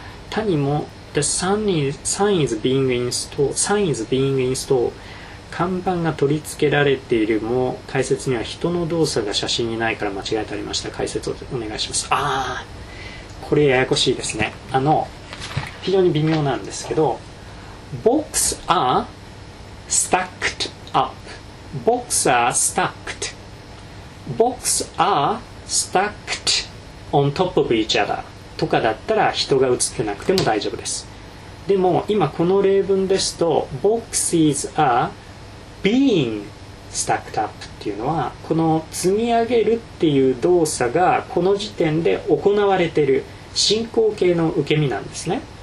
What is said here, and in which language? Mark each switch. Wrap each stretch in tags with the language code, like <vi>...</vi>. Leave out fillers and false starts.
<ja>他にも</ja> <en>The sign is being installed、</en> <ja>看板が取り付けられているも、解説には人の動作が写真にないから間違えてありました。解説をお願いします。あー、これややこしいですね。非常に微妙なんですけど、</ja> <en>box are stackedUp. Box are stacked. Box are stacked on top of each other.</en> <ja>とかだったら人が映ってなくても大丈夫です。でも今この例文ですと、</ja> <en>Boxes are being stacked up</en> <ja>っていうのは、この積み上げるっていう動作がこの時点で行われている進行形の受け身なんですね。</ja>